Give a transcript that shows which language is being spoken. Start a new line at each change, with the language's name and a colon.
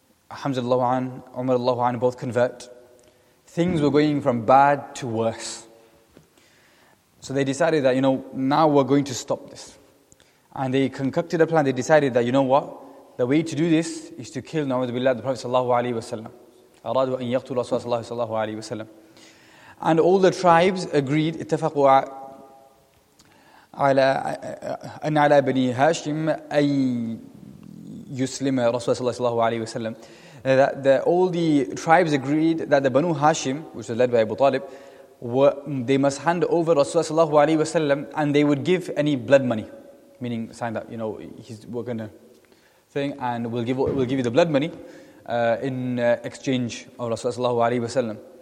English: Alhamdulillah, Umar Allahu An both convert. Things were going from bad to worse. So they decided that, you know, now we're going to stop this. And they concocted a plan. They decided that, you know what? The way to do this is to kill Na'udhu Billah, the Prophet sallallahu alayhi wa sallam.
Arabic: أَرَادُوا أَنْ يَقْتُلُوا رَسُولَ اللَّهِ sallallahu alayhi wa sallam.
English: And all the tribes agreed,
Arabic: اتفقوا على أن على بني هاشم أي يسلم رسول الله صلى الله عليه وسلم.
English: All the tribes agreed that the Banu Hashim, which was led by Abu Talib, they must hand over
Arabic: رسول صلى الله عليه وسلم,
English: and they would give any blood money, meaning sign that, you know, we're gonna thing, and we'll give you the blood money in exchange of رسول صلى الله عليه وسلم.